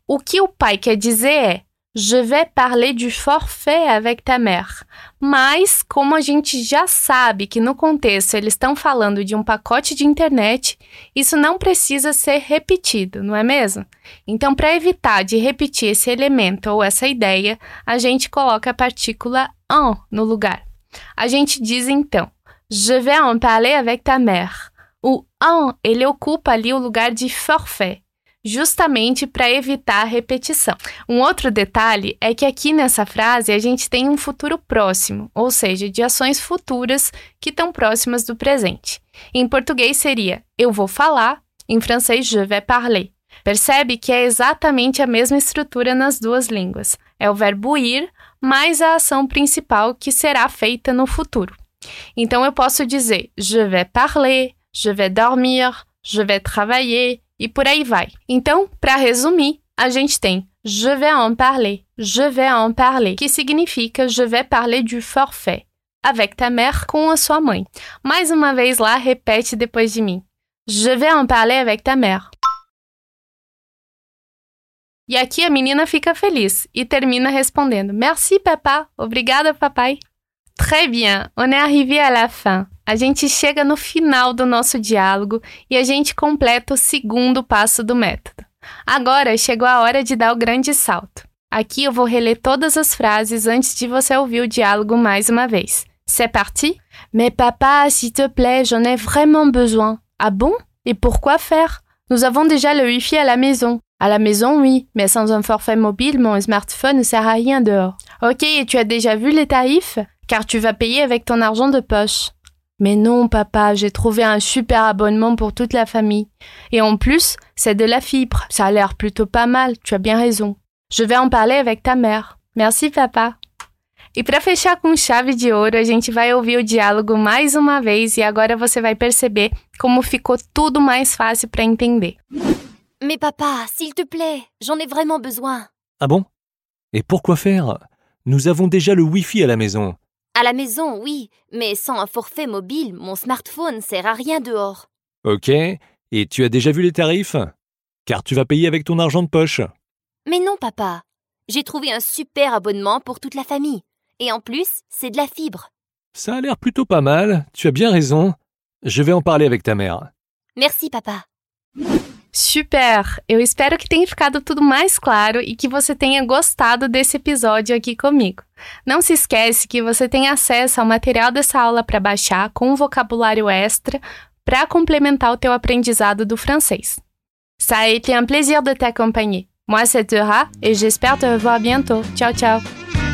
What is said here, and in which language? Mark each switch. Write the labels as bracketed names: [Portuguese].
[Portuguese] O que o pai quer dizer é [French] Je vais parler du forfait avec ta mère. [Portuguese] Mas, como a gente já sabe que no contexto eles estão falando de um pacote de internet, isso não precisa ser repetido, não é mesmo? Então, para evitar de repetir esse elemento ou essa ideia, a gente coloca a partícula en no lugar. A gente diz, então, [French] Je vais en parler avec ta mère. [Portuguese] O en, ele ocupa ali o lugar de forfait. Justamente para evitar a repetição. Um outro detalhe é que aqui nessa frase a gente tem um futuro próximo, ou seja, de ações futuras que estão próximas do presente. Em português seria eu vou falar, em francês [French] je vais parler. [Portuguese] Percebe que é exatamente a mesma estrutura nas duas línguas. É o verbo ir mais a ação principal que será feita no futuro. Então eu posso dizer [French] je vais parler, je vais dormir, je vais travailler. [Portuguese] E por aí vai. Então, para resumir, a gente tem [French] Je vais en parler. Je vais en parler. [Portuguese] Que significa [French] Je vais parler du forfait. Avec ta mère, [Portuguese] com a sua mãe. Mais uma vez lá, repete depois de mim. [French] Je vais en parler avec ta mère. [Portuguese] E aqui a menina fica feliz e termina respondendo [French] Merci, papa. [Portuguese] Obrigada, papai. [French] Très bien. On est arrivé à la fin. [Portuguese] A gente chega no final do nosso diálogo e a gente completa o segundo passo do método. Agora, chegou a hora de dar o grande salto. Aqui eu vou reler todas as frases antes de você ouvir o diálogo mais uma vez. [French] C'est parti? Mais papa, s'il te plaît, j'en ai vraiment besoin. Ah bon? Et pourquoi faire? Nous avons déjà le Wi-Fi à la maison. À la maison, oui, mais sans un forfait mobile, mon smartphone ne sert à rien dehors. Ok, et tu as déjà vu les tarifs? Car tu vas payer avec ton argent de poche. Mais non, papa, j'ai trouvé un super abonnement pour toute la famille. Et en plus, c'est de la fibre. Ça a l'air plutôt pas mal, tu as bien raison. Je vais en parler avec ta mère. Merci, papa. [Portuguese] E para fechar com chave de ouro, a gente vai ouvir o diálogo mais uma vez e agora você vai perceber como ficou tudo mais fácil para entender. [French] Mais papa, s'il te plaît, j'en ai vraiment besoin. Ah bon? Et pourquoi faire? Nous avons déjà le Wi-Fi à la maison. À la maison, oui, mais sans un forfait mobile, mon smartphone sert à rien dehors. Ok, et tu as déjà vu les tarifs? Car tu vas payer avec ton argent de poche. Mais non, papa. J'ai trouvé un super abonnement pour toute la famille. Et en plus, c'est de la fibre. Ça a l'air plutôt pas mal. Tu as bien raison. Je vais en parler avec ta mère. Merci, papa. Super! [Portuguese] Eu espero que tenha ficado tudo mais claro e que você tenha gostado desse episódio aqui comigo. Não se esquece que você tem acesso ao material dessa aula para baixar com um vocabulário extra para complementar o teu aprendizado do francês. [French] Ça a été un plaisir de t'accompagner. Moi, c'est Thora et j'espère te revoir bientôt. Tchau, tchau!